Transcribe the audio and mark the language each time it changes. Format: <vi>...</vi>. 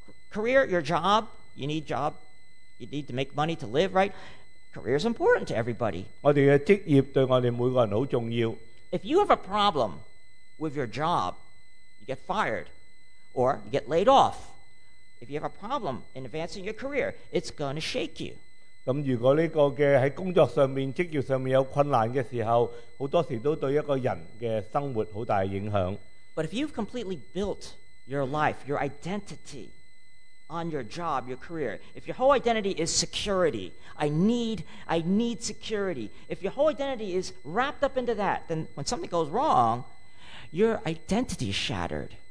<en>Career, your job, you need job, you need to make money to live, right? Career is important to everybody.</en> <zh>我们的职业对我们每个人很重要.</zh> <en>If you have a problem with your job, you get fired, or you get laid off, if you have a problem in advancing your career, it's going to shake you.</en> <zh>那如果这个在工作上面、职业上面有困难的时候，很多时都对一个人的生活很大影响。</zh> <en>But if you've completely built your life, your identity on your job, your career, if your whole identity is security, I need security, if your whole identity is wrapped up into that, then when something goes wrong, your identity is shattered.</en>